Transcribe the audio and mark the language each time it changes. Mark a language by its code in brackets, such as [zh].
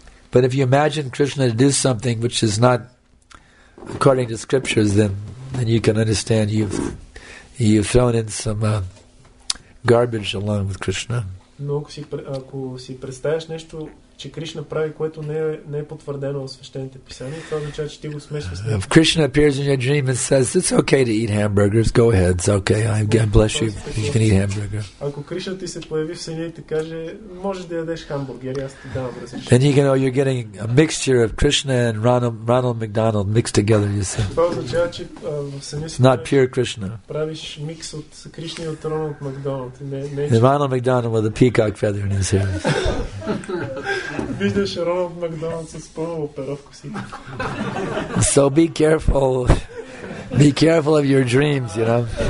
[en] But if you imagine Krishna to do something which is not according to scriptures, then you can understand you've thrown in some garbage along with Krishna. [bg] Но ако си представяш нещо че Кришна прави, което не е потвърдено в свещените писания. Това означава, че ти го смешваш с него. [en] If Krishna appears in your dream and says, it's okay to eat hamburgers, go ahead, it's okay, I bless you, you can eat hamburger. [bg] Ако Кришна ти се появи в съня и ти каже, можеш да ядеш хамбургер, аз ти давам разрешение. [en] Then you can know you're getting a mixture of Krishna and Ronald McDonald mixed together, you see. [bg] Това означава, че в съня си [en] not pure Krishna. [bg] Правиш микс от Кришна и от Ронald Макдоналд. [en] Ronald McDonald with a peacock feather in his hair. [bg] Виждаш Роналд Макдоналд с пълно перо в косите. [en] So be careful. Be careful of your dreams, you know.